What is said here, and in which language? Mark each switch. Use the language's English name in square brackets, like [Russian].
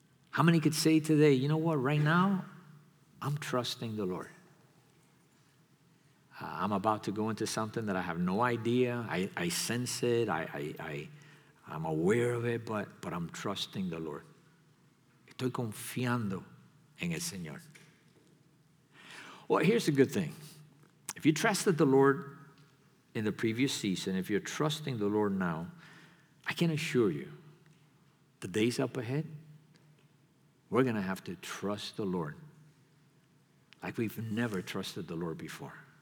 [English] How many could say today, you know what, right now, I'm trusting the Lord. I'm about to go into something that I have no idea. I sense it. I'm aware of it, but I'm trusting the Lord. [Spanish] Estoy confiando en el Señor. [English] Well, here's a good thing. If you trusted the Lord in the previous season, if you're trusting the Lord now, I can assure you, the days up ahead, we're going to have to trust the Lord like we've never trusted the Lord before.